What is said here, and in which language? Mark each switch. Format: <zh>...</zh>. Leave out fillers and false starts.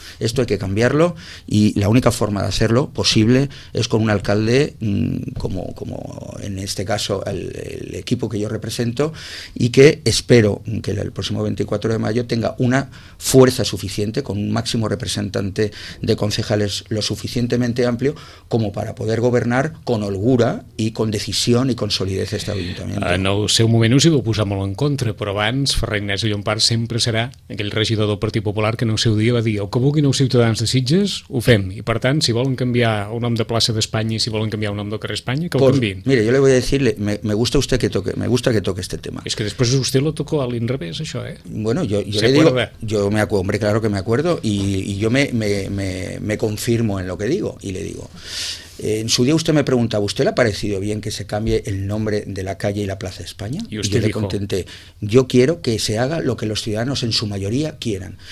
<es>Esto hay que cambiarlo y la única forma de hacerlo posible es con un alcalde, como en este caso el equipo que yo represento, y que espero que el próximo 24 de mayo tenga una fuerza suficiente, con un máximo representante de concejales lo suficientemente amplio, como para poder gobernar con holgura y con decisión y con solidez este ayuntamiento.</es> <ca>En el seu moment us hi vau posar molt en contra, però abans Ferrer Ignasi Llompart sempre serà aquell regidor del Partit Popular que en el seu dia va dir, el que vulguin els ciutadans de Sitges, ho fem. I per tant, si volen canviar un nom de plaça d'Espanya i si volen canviar un nom del carrer Espanya, que ho canviïn.</ca> <es>Mire, yo le voy a decir, me gusta que toque este tema.</es> <ca>És que després vostè</ca> <es>lo tocó</es> <ca>a l'inrevés, això, eh?</ca> <es>Bueno, yo le digo, yo me acuerdo, hombre, claro que me acuerdo, y yo me confirmo en lo que digo, y le digo... En su día usted me preguntaba, ¿usted le ha parecido bien que se cambie el nombre de la calle y la Plaza de España? Y yo le contenté, yo quiero que se haga lo que los ciudadanos en su mayoría quieran.</es>